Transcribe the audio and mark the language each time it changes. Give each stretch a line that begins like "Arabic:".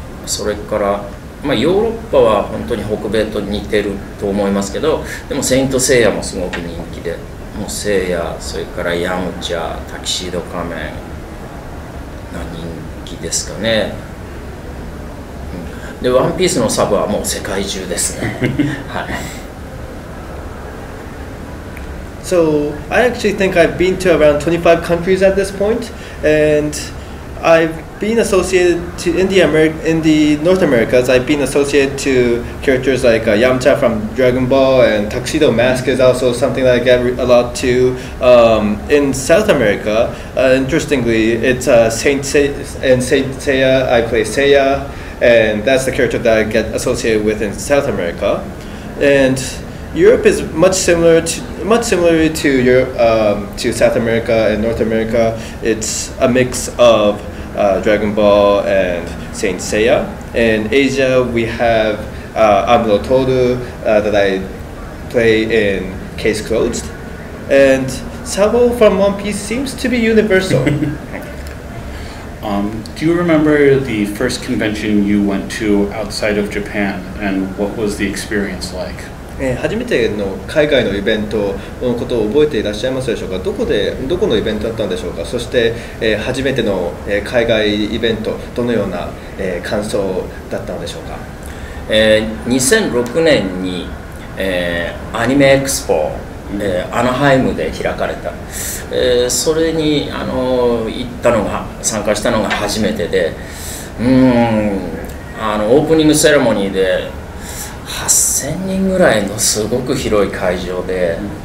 Japanese: それから、まあ、ヨーロッパは本当に北米と似てると思いますけど、でもセイントセイヤもすごく人気で、もうセイヤ、それからヤムチャ、タキシード仮面が人気ですかね。で、ワンピースのサブはもう世界中ですね。はい。
English: So, I actually think I've been to around 25 countries at this point, and I've been associated to in the North Americas, I've been associated to characters like Yamcha from Dragon Ball, and Tuxedo Mask is also something that I get a lot to. In South America, interestingly, it's Saint Seiya, I play Seiya, and that's the character that I get associated with in South America. And Europe is much similar to South America and North America. It's a mix of Dragon Ball and Saint Seiya. In Asia, we have Amuro Toru that I play in Case Closed. And Sabo from One Piece seems to be universal. Do you remember the first convention you went to outside of Japan, and what was the experience like?
Japanese: 初めての海外のイベントのことを覚えていらっしゃいますでしょうか。どこのイベントだったんでしょうか。そして、初めての海外イベントどのような、感想だったんでしょうか。 2006年に、アニメエクスポ、アナハイムで開かれた、それに行ったのが参加したのが初めてで、オープニングセレモニーで8000人ぐらいのすごく広い会場で、